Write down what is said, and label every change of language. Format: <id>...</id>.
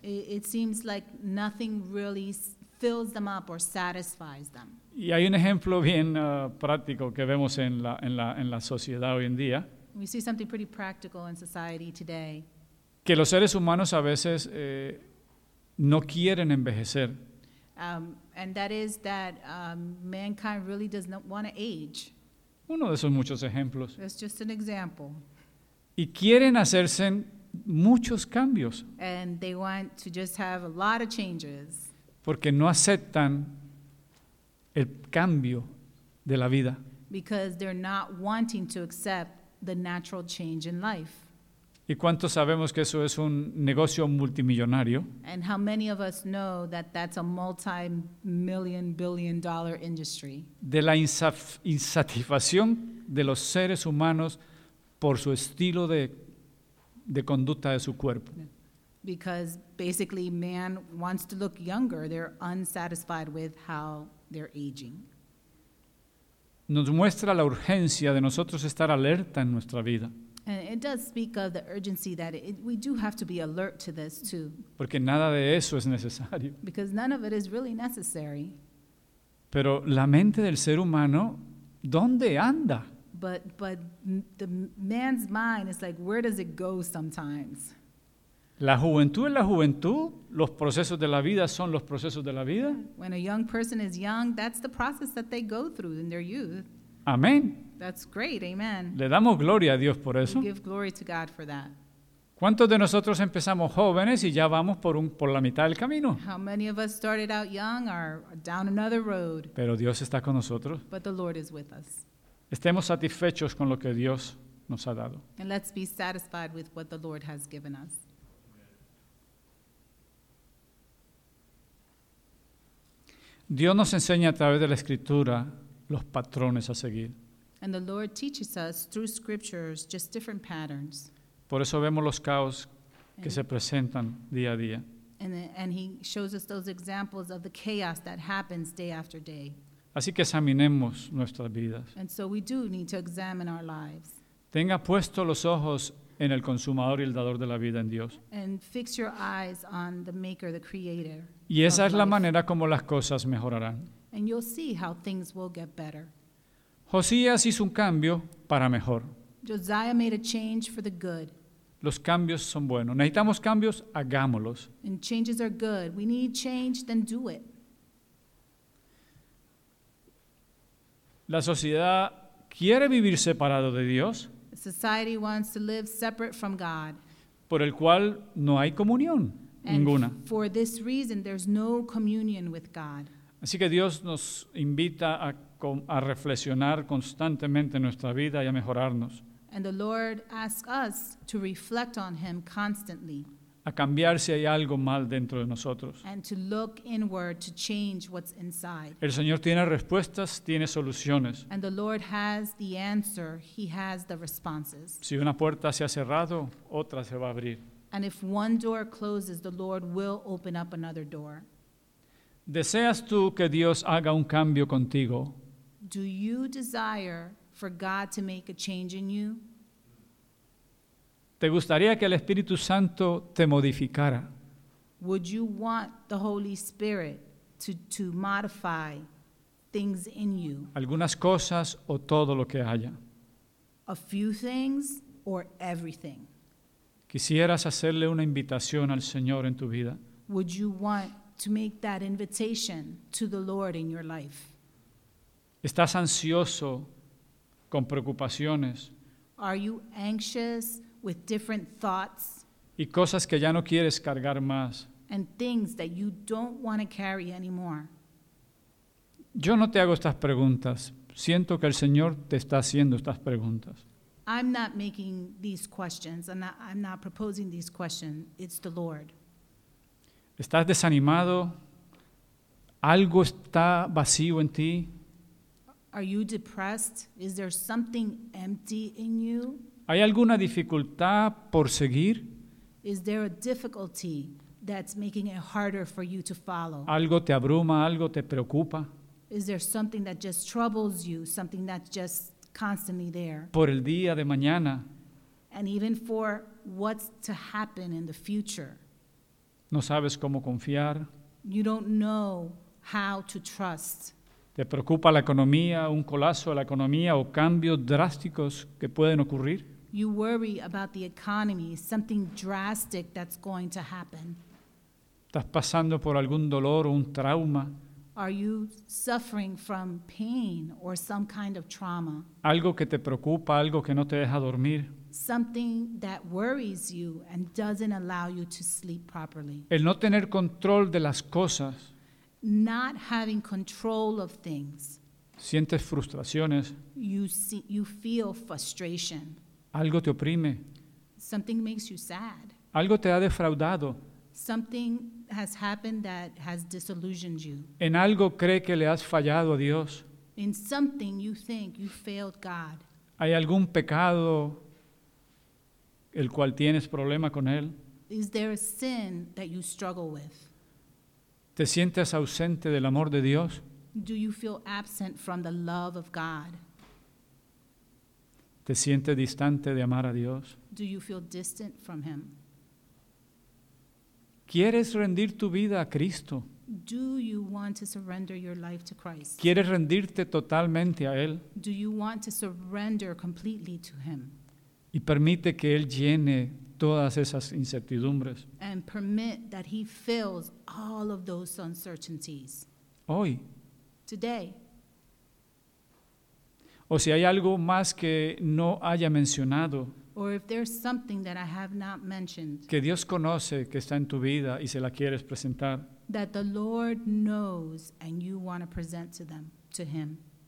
<en>It seems like nothing really fills them up or satisfies them.</en> <es>Y hay un ejemplo bien práctico que vemos en la sociedad hoy en día.</es> <en>We see something pretty practical in society today.</en> <es>Que los seres humanos a veces no quieren envejecer.</es> <en>And that is that mankind really does not want to age.</en> <es>Uno de esos muchos ejemplos.</es> <en>It's just an example.</en> <es>Y quieren hacerse muchos cambios.</es> <en>And they want to just have a lot of changes.</en> <es>Porque no aceptan el cambio de la vida.</es> <en>Because they're not wanting to accept the natural change in life.</en> <es>¿Y cuántos sabemos que eso es un negocio multimillonario?</es> <en>And how many of us know that that's a multi-million, billion-dollar industry?</en> <es>De la insatisfacción de los seres humanos por su estilo de conducta de su cuerpo.</es> <en>Because basically man wants to look younger, they're unsatisfied with how they're aging.</en> <es>Nos muestra la urgencia de nosotros estar alerta en nuestra vida.</es> <en>And it does speak of the urgency that we do have to be alert to this too.</en> <es>Porque nada de eso es necesario.</es> <en>Because none of it is really necessary.</en> <es>Pero la mente del ser humano, ¿dónde anda?</es> <en>But the man's mind is like, where does it go sometimes?</en> <es>La juventud es la juventud. Los procesos de la vida son los procesos de la vida.</es> <en>When a young person is young, that's the process that they go through in their youth.</en> <es>Amén.</es> <en>That's great, amen.</en> <es>Le damos gloria a Dios por eso.</es> <en>We give glory to God for that.</en> <es>¿Cuántos de nosotros empezamos jóvenes y ya vamos por la mitad del camino?</es> <en>How many of us started out young or down another road?</en> <es>Pero Dios está con nosotros.</es> <en>But the Lord is with us.</en> <es>Estemos satisfechos con lo que Dios nos ha dado.</es> <en>And let's be satisfied with what the Lord has given us.</en> <es>Dios nos enseña a través de la Escritura los patrones a seguir.</es> <en>And the Lord teaches us through scriptures just different patterns.</en> <es>Por eso vemos los caos que se presentan día a día.</es> <en>And he shows us those examples of the chaos that happens day after day.</en> <es>Así que examinemos nuestras vidas.</es> <en>And so we do need to examine our lives.</en> <es>Tenga puesto los ojos en el consumador y el dador de la vida en Dios.</es> <en>And fix your eyes on the maker, the creator.</en> <es>Y esa es la manera como las cosas mejorarán.</es> <en>And you'll see how things will get better.</en> <es>Josías hizo un cambio para mejor.</es> <en>Josiah made a change for the good.</en> <es>Los cambios son buenos. Necesitamos cambios, hagámoslos.</es> <en>And changes are good. We need change, then do it.</en> <es>La sociedad quiere vivir separado de Dios.</es> <en>Society wants to live separate from God.</en> <es>Por el cual no hay comunión. Ninguna.</es> <en>For this reason, there's no communion with God.</en> <es>Así que Dios nos invita a reflexionar constantemente en nuestra vida y a mejorarnos.</es> <en>And the Lord asks us to reflect on Him constantly.</en> <es>A cambiar si hay algo mal dentro de nosotros.</es> <en>And to look inward to change what's inside.</en> <es>El Señor tiene respuestas, tiene soluciones.</es> <en>And the Lord has the answer, He has the responses.</en> <es>Si una puerta se ha cerrado, otra se va a abrir.</es> <en>And if one door closes, the Lord will open up another door.</en> <es>¿Deseas tú que Dios haga un cambio contigo?</es> <en>Do you desire for God to make a change in you?</en> <es>¿Te gustaría que el Espíritu Santo te modificara?</es> <en>Would you want the Holy Spirit to modify things in you?</en> <es>¿Algunas cosas o todo lo que haya?</es> <en>A few things or everything?</en> <es>¿Quisieras hacerle una invitación al Señor en tu vida?</es> <en>Would you want to make that invitation to the Lord in your life?</en> <es>¿Estás ansioso con preocupaciones?</es> <en>Are you anxious with different thoughts?</en> <es>Y cosas que ya no quieres cargar más.</es> <en>And things that you don't want to carry anymore.</en> <es>Yo no te hago estas preguntas. Siento que el Señor te está haciendo estas preguntas.</es> <en>I'm not making these questions. I'm not proposing these questions. It's the Lord.</en> <es>¿Estás desanimado? ¿Algo está vacío en ti?</es> <en>Are you depressed? Is there something empty in you?</en> <es>¿Hay alguna dificultad por seguir?</es> <en>Is there a difficulty that's making it harder for you to follow?</en> <es>¿Algo te abruma? ¿Algo te preocupa?</es> <en>Is there something that just troubles you? Something that's just constantly there?</en> <es>Por el día de mañana.</es> <en>And even for what's to happen in the future.</en> <es>No sabes cómo confiar.</es> <en>You don't know how to trust.</en> <es>¿Te preocupa la economía, un colapso de la economía o cambios drásticos que pueden ocurrir?</es> <en>You worry about the economy, something drastic that's going to happen.</en> <es>¿Estás pasando por algún dolor o un trauma?</es> <en>Are you suffering from pain or some kind of trauma?</en> <es>¿Algo que te preocupa, algo que no te deja dormir?</es> <en>Something that worries you and doesn't allow you to sleep properly.</en> <es>El no tener control de las cosas.</es> <en>Not having control of things.</en> <es>Sientes frustraciones.</es> <en>You feel frustration.</en> <es>Algo te oprime.</es> <en>Something makes you sad.</en> <es>Algo te ha defraudado.</es> <en>Something has happened that has disillusioned you.</en> <es>En algo cree que le has fallado a Dios.</es> <en>In something you think you failed God.</en> <es>¿Hay algún pecado el cual tienes problema con él?</es> <en>Is there a sin that you struggle with?</en> <es>¿Te sientes ausente del amor de Dios?</es> <en>Do you feel absent from the love of God?</en> <es>¿Te sientes distante de amar a Dios?</es> <en>Do you feel distant from him?</en> <es>¿Quieres rendir tu vida a Cristo?</es> <en>Do you want to surrender your life to Christ?</en> <es>¿Quieres rendirte totalmente a él?</es> <en>Do you want to surrender completely to him?</en> <es>Y permite que él llene todas esas incertidumbres.</es> <en>And permit that he fills all of those uncertainties.</en> <es>Hoy.</es> <en>Today.</en> <es>O si hay algo más que no haya mencionado.</es> <en>Or if there's something that I have not mentioned.</en> <es>Que Dios conoce que está en tu vida y se la quieres presentar.</es> <en>That the Lord knows and you want to present to them, to him.</en>